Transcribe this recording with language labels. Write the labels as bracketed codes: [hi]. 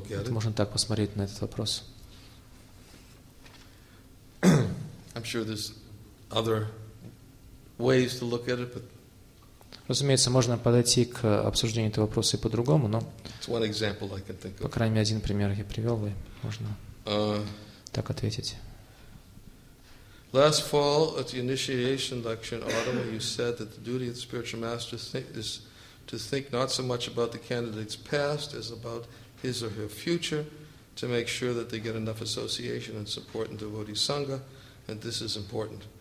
[ru] Можно так посмотреть на этот вопрос. [en] I'm sure there's other ways to look at it, but. [ru] Разумеется, можно подойти к обсуждению этого вопроса и по-другому, но. [en] It's one example I can think of. [ru] По крайней мере, один пример я привел, и можно так ответить. [en] Last fall at the initiation lecture in Ottawa, you said that the duty of the spiritual master is to think not so much about the candidate's past as about his or her future, to make sure that they get enough association and support in devotee sangha, and this is important.